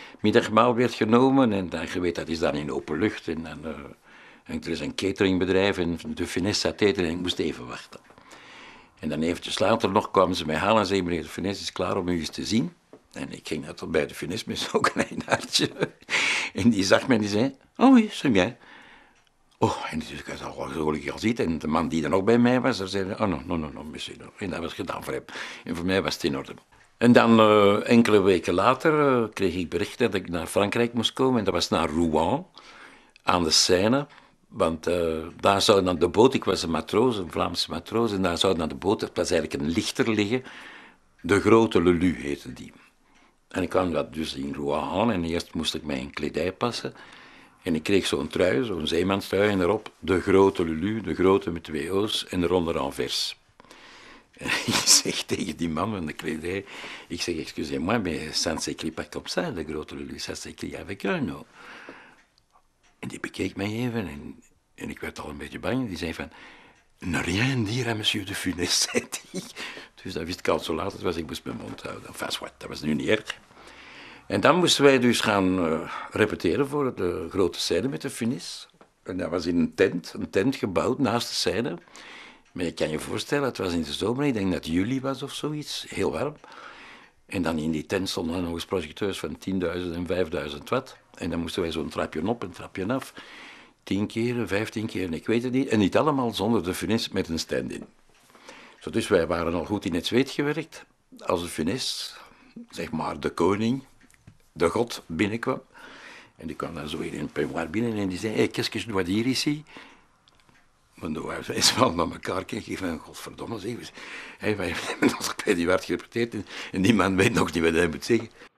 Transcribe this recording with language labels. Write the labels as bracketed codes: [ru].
[nl] Middagmaal werd genomen en dan, je weet, dat is dan in open lucht. En dan, er is een cateringbedrijf en de Funès zat eten en ik moest even wachten. En dan eventjes later nog kwamen ze mij halen en zeiden, meneer de Funès is klaar om u eens te zien. En ik ging net bij de Funès met zo'n klein hartje. En die zag me en die zei, [fr] oh oui, c'est bien. [nl] Oh, en die zei, ik zag wel zo gelukkig al ziet. En de man die er nog bij mij was, daar zei, [fr] oh no, no, no, no, monsieur. [nl] En dat was gedaan voor hem. En voor mij was het in orde. En dan enkele weken later kreeg ik bericht dat ik naar Frankrijk moest komen. En dat was naar Rouen, aan de Seine. Want daar zou dan de boot, ik was een matroos, een Vlaamse matroos. En daar zou dan de boot, het was eigenlijk een lichter liggen. De grote Lulu heette die. En ik kwam dat dus in Rouen aan en eerst moest ik mijn kledij passen. En ik kreeg zo'n trui, zo'n zeemanstrui, en erop de grote Lulu, de grote met twee O's en eronder anvers. En ik zeg tegen die man van de kledij, ik zeg, [fr] excusez-moi, mais ça ne s'écrit pas comme ça, de grote Lulu, ça s'écrit avec un O. [nl] En die bekeek mij even en ik werd al een beetje bang. Die zei van, [fr] ne rien dire à monsieur de Funès, [nl] zei die. Dus dat wist ik al zo laat, het was, ik moest mijn mond houden. Enfin, wat, dat was nu niet erg. En dan moesten wij dus gaan repeteren voor de grote scène met de Funès. En dat was in een tent gebouwd naast de scène. Maar je kan je voorstellen, het was in de zomer, ik denk dat het juli was of zoiets, heel warm. En dan in die tent stonden nog eens projecteurs van 10.000 en 5.000 watt. En dan moesten wij zo'n trapje op en trapje af. 10 keer, 15 keer, ik weet het niet. En niet allemaal zonder de Funès met een stand-in. Zo, dus wij waren al goed in het zweet gewerkt als de Funès, zeg maar de koning, de god, binnenkwam. En die kwam dan zo weer in het peignoir binnen en die zei, hey, [fr] qu'est-ce que je dois dire ici? [nl] Want dan waren wij wel naar elkaar gekeken van, godverdomme, zeg. Hé, hey, wij hebben ons bij die waard gereporteerd en die man weet nog niet wat hij moet zeggen.